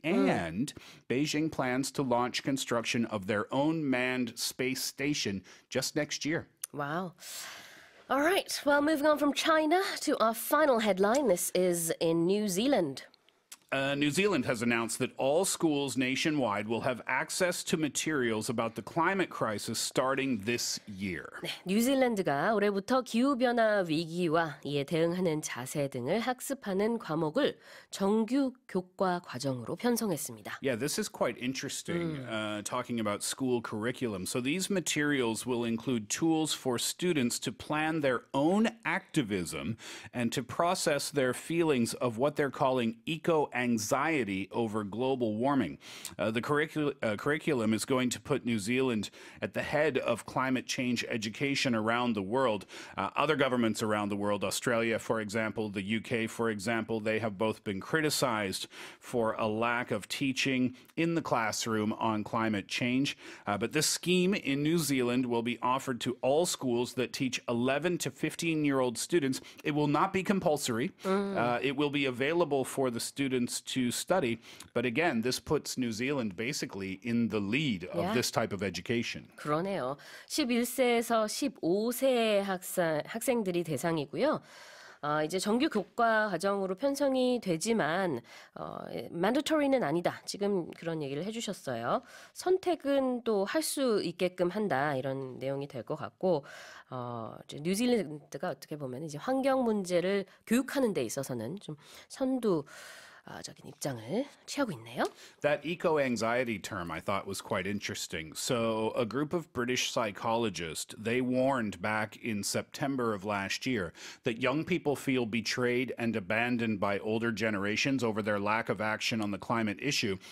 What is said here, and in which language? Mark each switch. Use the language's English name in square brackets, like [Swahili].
[English] And Beijing plans to launch construction of their own manned space station just next year. Wow. All right. Well, moving on from China to our final headline. This is in New Zealand. New Zealand has announced that all schools nationwide will have access to materials about the climate crisis starting this year. [Korean] 네, 뉴질랜드가 올해부터 기후변화 위기와 이에 대응하는 자세 등을 학습하는 과목을 정규 교과 과정으로 편성했습니다. [English] Yeah, this is quite interesting, talking about school curriculum. So these materials will include tools for students to plan their own activism and to process their feelings of what they're calling eco-activism. Anxiety over global warming. The curriculum is going to put New Zealand at the head of climate change education around the world. Other governments around the world, Australia, for example, the UK, for example, they have both been criticized for a lack of teaching in the classroom on climate change. But this scheme in New Zealand will be offered to all schools that teach 11 to 15-year-old students. It will not be compulsory. It will be available for the students to study, but again, this puts New Zealand basically in the lead of this type of education. [Korean] 그러네요. 11세에서 15세 학생들이 대상이고요. 이제 정규 교과 과정으로 편성이 되지만 mandatory는 아니다. 지금 그런 얘기를 해주셨어요. 선택은 또 할 수 있게끔 한다 이런 내용이 될 것 같고 이제 뉴질랜드가 어떻게 보면 이제 환경 문제를 교육하는 데 있어서는 좀 선두 적인 입장을 취하고 있네요. [English] That eco-anxiety term I thought was quite interesting. So a group of British psychologists, they warned back in September of last year that young people feel betrayed and abandoned by older generations over their lack of action on the climate issue.